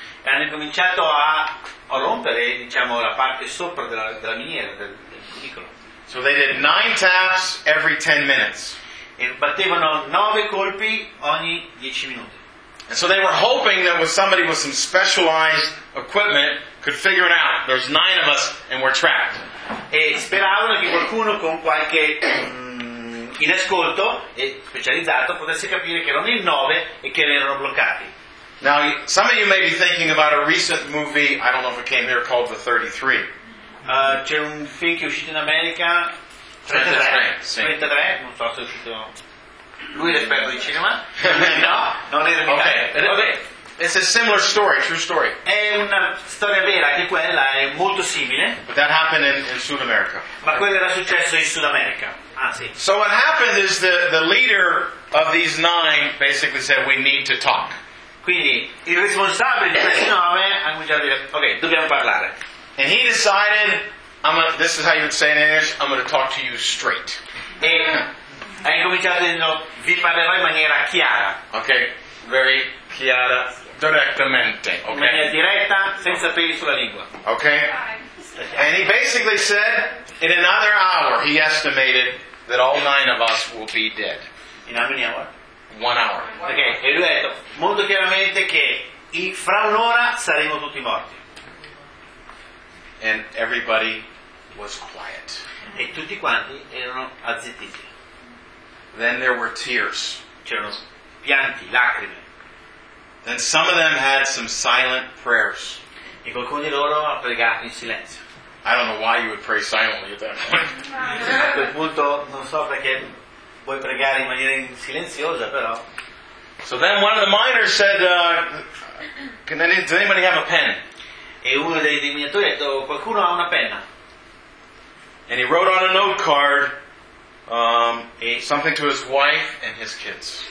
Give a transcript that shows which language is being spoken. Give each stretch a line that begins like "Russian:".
Italian: E hanno cominciato a rompere, diciamo, la parte sopra della miniera, del cubicolo.
English: So they did 9 taps every 10 minutes.
Italian: E battevano 9 colpi ogni 10 minuti.
English: And so they were hoping that with somebody with some specialized equipment could figure it out. There's 9 of us and we're trapped.
Italian: E speravano che qualcuno con qualche in ascolto e specializzato potesse capire che erano in 9 e che erano bloccati.
English: Now, some of you may be thinking about a recent movie, I don't know if it came here, called The 33.
Italian: C'è un film che è uscito in America, 33, non so se è uscito, lui è l'esperto di cinema, no, non è l'esperto.
English: Okay. It's a similar story, true story.
Italian: È una storia vera, anche quella è molto simile.
English: But that happened in South America.
Italian: Ma quello era successo in Sud America. Sì.
English: So what happened is the leader of these 9 basically said, we need to talk.
Italian: Quindi il responsabile di questi 9 ha cominciato a dire, ok, dobbiamo parlare.
English: And he decided, this is how you would say in English, I'm going to talk to you straight.
Italian: E ha incominciato dicendo, vi parlerò in maniera chiara.
English: Ok, very
Italian: chiara,
Spanish: directamente.
English: Okay.
Italian: In maniera diretta, senza peli sulla lingua.
English: Ok, and he basically said, in another hour, he estimated that all 9 of us will be dead. In how many hours? 1 hour.
Italian: Ok, e lui ha detto molto chiaramente che fra un'ora saremo tutti morti.
English: And everybody was quiet.
Italian: E tutti quanti erano azzittiti.
English: Then there were tears.
Italian: C'erano pianti, lacrime.
English: Then some of them had some silent prayers.
Italian: E qualcuno di loro ha pregato in silenzio.
English: I don't know why you would pray silently at that point.
Italian: A quel punto non so perché vuoi pregare in maniera silenziosa, però.
English: So then one of the miners said, does anybody have a pen?
Italian: E uno dei minatori ha detto, qualcuno ha una penna?
English: And he wrote on a note card something to his wife and his kids.